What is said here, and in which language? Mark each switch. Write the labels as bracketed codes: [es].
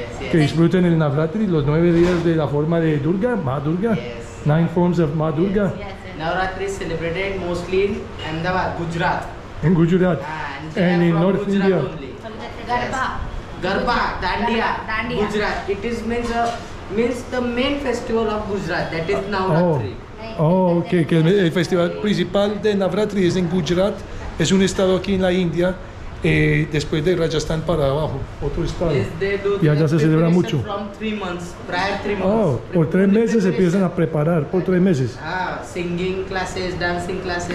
[es] Que disfruten el Navratri, los 9 días de la forma de Durga, Maa Durga. [en] Yes. 9 forms of Maa Durga. Yes, yes, yes. Navratri is celebrated mostly in Ahmedabad, Gujarat. In Gujarat. And in North Gujarat India. Garba. Garba, Dandiya. Dandiya. Gujarat. It is means the main festival of Gujarat, that is Navratri. [es] Oh, okay. Que el festival principal de Navratri es en Gujarat. Es un estado aquí en la India. Después de Rajasthan para abajo, otro estado. [en] Yes, [es] y allá se celebra mucho. [en] Prior three months. [es] Oh, por tres meses se empiezan a preparar, por tres meses. [en] Ah, singing classes, dancing classes.